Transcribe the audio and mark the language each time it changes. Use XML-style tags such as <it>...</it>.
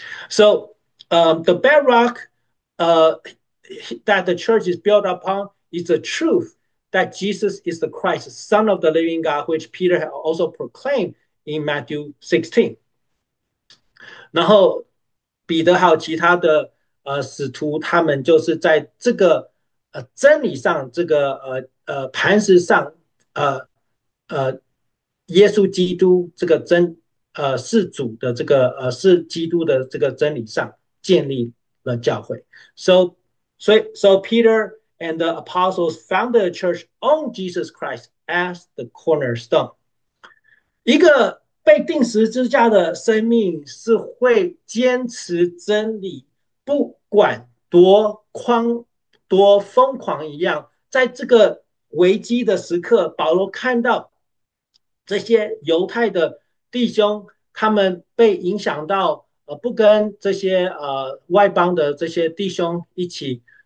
<en>So, the bedrock, that the church is built upon is the truth that Jesus is the Christ, Son of the Living God, which Peter had also proclaimed in Matthew 16.</en> <zh>然后彼得还有其他的。使徒他们就是在这个真理上，这个磐石上，耶稣基督这个真是主的这个是基督的这个真理上建立了教会。</zh> <en>So Peter and the apostles founded a church on Jesus Christ as the cornerstone。</en> <zh>一个被钉十字架的生命是会坚持真理，不管多疯狂一样。在这个危机的时刻，保罗看到这些犹太的弟兄，他们被影响到，不跟这些外邦的这些弟兄一起</zh>